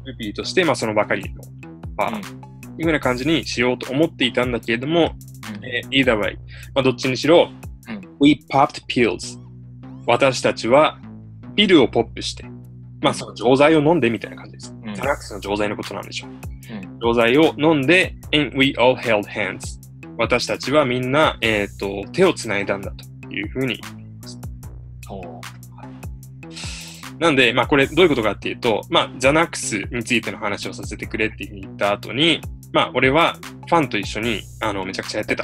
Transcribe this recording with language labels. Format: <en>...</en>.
<ja>グルーピーとして、まあ、そのばかりの、まあ、うん、いうような感じにしようと思っていたんだけれども、うん、</ja> <en>either way、</en> <ja>まあ、どっちにしろ、うん、</ja> <en>we popped pills。</en> <ja>私たちは、ピルをポップして、まあ、その錠剤を飲んでみたいな感じです。ザナックスの錠剤のことなんでしょう。錠剤を飲んで、</ja> <en>and we all held hands。</en> <ja>私たちはみんな、手をつないだんだというふうに言っています。なんで、まあ、これどういうことかっていうと、まあ、ザナックスについての話をさせてくれって言った後に、まあ、俺はファンと一緒にあのめちゃくちゃやってた、</ja>